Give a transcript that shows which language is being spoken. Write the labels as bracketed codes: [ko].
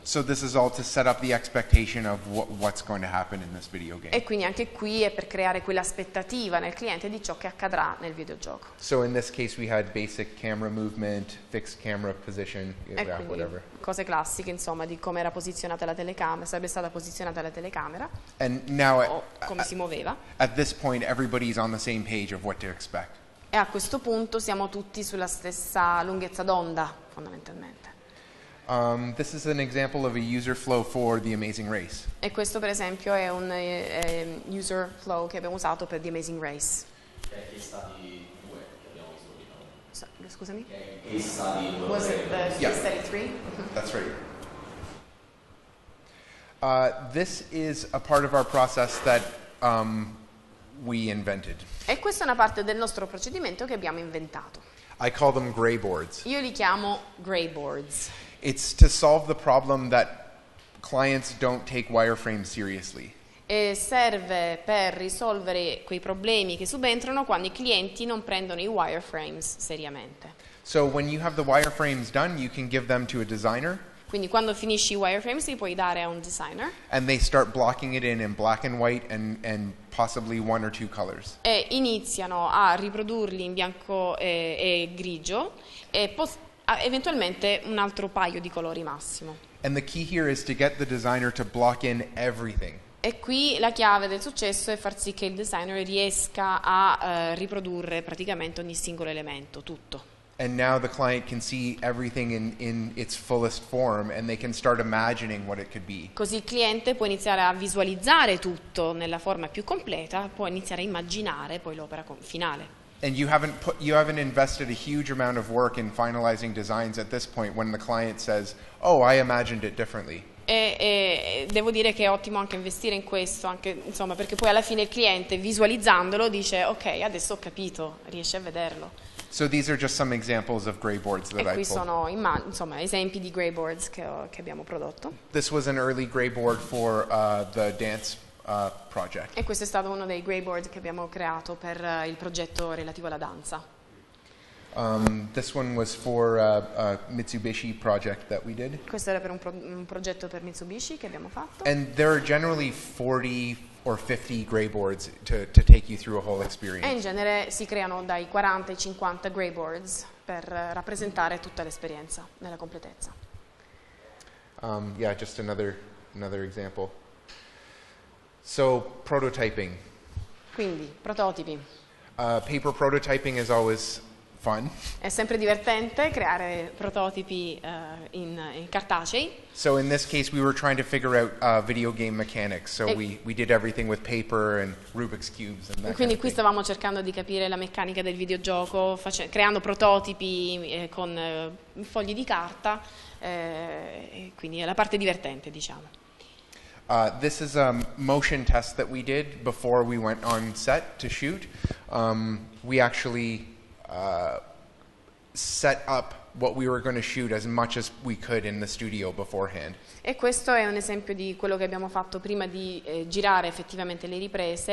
[en] So this is all to set up the expectation of what's going to happen in this video game. [it] E quindi anche qui è per creare quell'aspettativa nel cliente di ciò che accadrà nel videogioco. [en] So in this case we had basic camera movement, fixed camera position, whatever. [it] Cose classiche, insomma, di come era posizionata la telecamera, sarebbe stata posizionata la telecamera. [en] And now [it] si muoveva. [en] At this point everybody's on the same page of what to expect. [it] E a questo punto siamo tutti sulla stessa lunghezza d'onda, fondamentalmente. [en] This is an example of a user flow for The Amazing Race. [it] E questo, per esempio, è un user flow che abbiamo usato per The Amazing Race. È pista di due che abbiamo visto prima. So scusami? [en] Was it the case study three? That's right. This is a part of our process that we invented. [it] E questa è una parte del nostro procedimento che abbiamo inventato. [en] I call them gray boards. [it] Io li chiamo gray boards. [en] It's to solve the problem that clients don't take wireframes seriously. [it] E serve per risolvere quei problemi che subentrano quando i clienti non prendono i wireframes seriamente. [en] So when you have the wireframes done, you can give them to a designer. [it] Quindi quando finisci i wireframes li puoi dare a un designer. [en] And they start blocking it in black and white and possibly one or two colors. [it] E iniziano a riprodurli in bianco e grigio e eventualmente un altro paio di colori massimo. [en] And the key here is to get the designer to block in everything. [it] E qui la chiave del successo è far sì che il designer riesca a riprodurre praticamente ogni singolo elemento, tutto. [en] And now the client can see everything in its fullest form and they can start imagining what it could be. [it] Così il cliente può iniziare a visualizzare tutto nella forma più completa, può iniziare a immaginare poi l'opera finale. [en] And you haven't invested a huge amount of work in finalizing designs at this point when the client says, "Oh, I imagined it differently." [it] E devo dire che è ottimo anche investire in questo, anche insomma, perché poi alla fine il cliente visualizzandolo dice, "Ok, adesso ho capito, riesce a vederlo." [en] So these are just some examples of gray boards that I pulled. [it] E qui sono insomma esempi di gray boards che abbiamo prodotto. [en] This was an early gray board for the dance project. [it] E questo è stato uno dei gray boards che abbiamo creato per il progetto relativo alla danza. [en] This one was for a Mitsubishi project that we did. [it] Questo era per un progetto per Mitsubishi che abbiamo fatto. [en] And there are generally 40 or 50 gray boards to take you through a whole experience. E in genere si creano dai 40 ai 50 gray boards per rappresentare tutta l'esperienza nella completezza. Yeah, just another example. So, prototyping. [it] Quindi, prototipi. [en] Paper prototyping is always fun. [it] È sempre divertente creare prototipi in cartacei. [en] So in this case we were trying to figure out video game mechanics. So we did everything with paper and Rubik's cubes and that. [it] E quindi [en] kind of [it] qui stavamo cercando di capire la meccanica del videogioco creando prototipi con fogli di carta e quindi è la parte divertente, diciamo. [en] This is a motion test that we did before we went on set to shoot. We actually set up what we were going to shoot as much as we could in the studio beforehand. [it] E questo è un esempio di quello che abbiamo fatto prima di girare effettivamente le riprese.